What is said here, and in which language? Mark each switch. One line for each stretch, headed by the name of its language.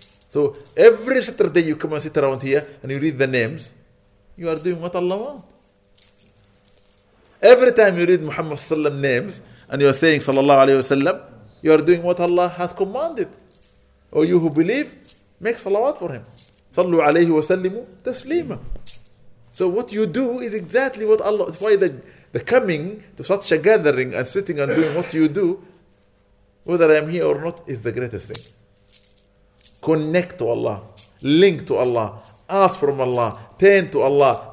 English: So every Saturday you come and sit around here and you read the names, you are doing what Allah wants. Every time you read Muhammad sallallahu alayhi wa sallam names and you are saying sallallahu alayhi wa sallam, you are doing what Allah has commanded. Or you who believe, make salawat for him.
Arabic: صلوا عليه وسلموا تسليما.
English: So what you do is exactly what Allah, that's why the coming to such a gathering and sitting and doing what you do, whether I am here or not, is the greatest thing. Connect to Allah, link to Allah, ask from Allah, turn to Allah.